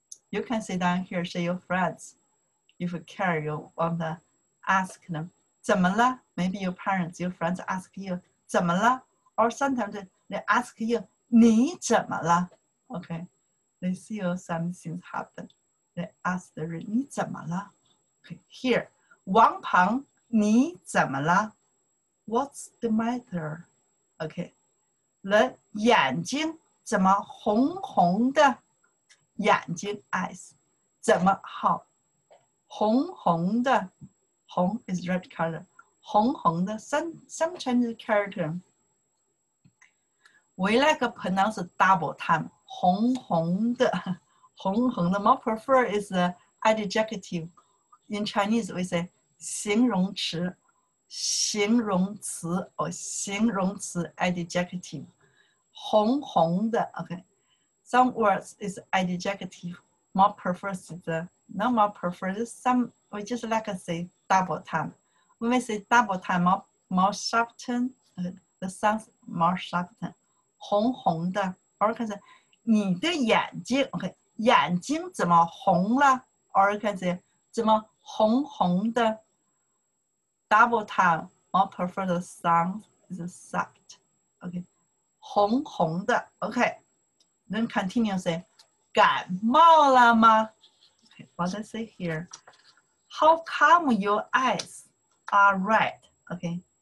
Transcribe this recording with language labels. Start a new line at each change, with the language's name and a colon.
English: You can sit down here, show your friends. If you care, you want to ask them.
Chinese: 怎么了?
English: Maybe your parents, your friends ask you,
Chinese: 怎么了?
English: Or sometimes they ask you,
Chinese: 你怎么了?
English: Okay. They see something happen. They ask the reason,
Chinese: 你怎么了?
English: Okay.
Chinese: Here, 王鹏,你怎么了?
English: What's the matter? Okay.
Chinese: 了眼睛怎么红红的? 眼睛, eyes. 怎么好?红红的?
English: Hong is red color. Hong Hong, the some Chinese character. We like to pronounce double time. Hong Hong, the Hong Hong, the more preferred is the adjective. In Chinese, we say
Chinese: 形容词,
English: 形容词, or 形容词 adjective. Hong Hong, the okay. Some words is adjective. More preferred is the, not more preferred, some, we just like to say, double time. When we say double time, more sharpen, the sounds more sharpen.
Chinese: 红红的,
English: or you can say,
Chinese: 你的眼睛, okay, 眼睛怎么红了?
English: Or you can say,
Chinese: 怎么红红的?
English: Double time, more preferred sound is soft. Okay,
Chinese: 红红的,
English: okay. Then continue say,
Chinese: 感冒了吗?
English: Okay, what does it say here? How come your eyes are red? Okay.